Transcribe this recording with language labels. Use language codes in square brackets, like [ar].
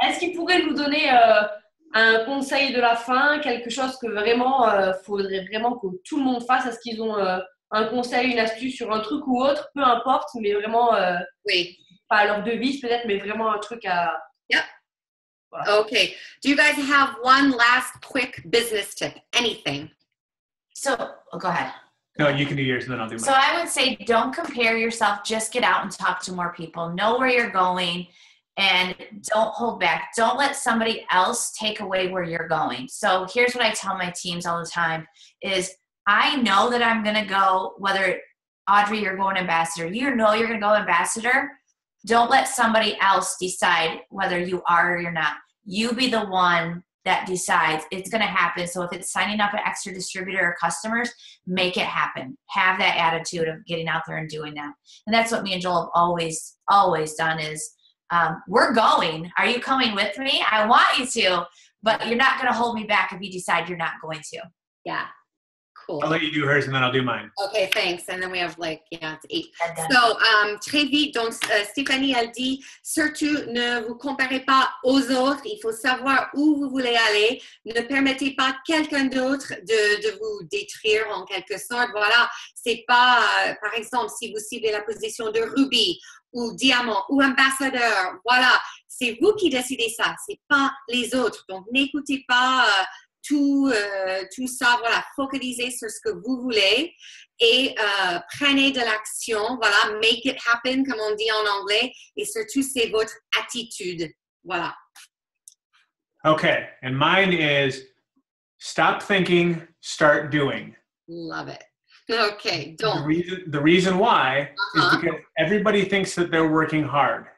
[fr] Est-ce qu'ils pourraient nous donner un conseil de la fin, quelque chose que vraiment, faudrait vraiment que tout le monde fasse, à ce qu'ils ont un conseil, une astuce sur un truc ou autre, peu importe, mais vraiment, pas leur devise peut-être, mais vraiment un truc à... [en] Yep. [fr] Voilà. [en] Okay. Do you guys have one last quick business tip? Anything? So, go ahead. No, you can do yours, and then I'll do mine. So I would say, don't compare yourself. Just get out and talk to more people. Know where you're going, and don't hold back. Don't let somebody else take away where you're going. So here's what I tell my teams all the time is, I know that I'm going to go, whether Audrey, you're going ambassador, you know you're going to go ambassador. Don't let somebody else decide whether you are or you're not. You be the one that decides. It's going to happen. So if it's signing up an extra distributor or customers, make it happen. Have that attitude of getting out there and doing that. And that's what me and Joel have always, always done is we're going. Are you coming with me? I want you to, but you're not going to hold me back if you decide you're not going to. Yeah. Cool. I'll let you do hers and then I'll do mine. Okay, thanks. And then we have like, yeah, it's 8. [fr] So, très vite, donc, Stéphanie, elle dit, surtout ne vous comparez pas aux autres. Il faut savoir où vous voulez aller. Ne permettez pas quelqu'un d'autre de vous détruire en quelque sorte. Voilà, c'est pas, par exemple, si vous ciblez la position de Ruby ou Diamant ou Ambassadeur, voilà, c'est vous qui décidez ça, c'est pas les autres. Donc, n'écoutez pas. Tout ça, voilà, focalisez sur ce que vous voulez et prenez de l'action, voilà, [en] make it happen, [fr] comme on dit en anglais, et surtout, c'est votre attitude, voilà. [en] Okay, and mine is stop thinking, start doing. Love it. Okay, don't. The reason why is because everybody thinks that they're working hard.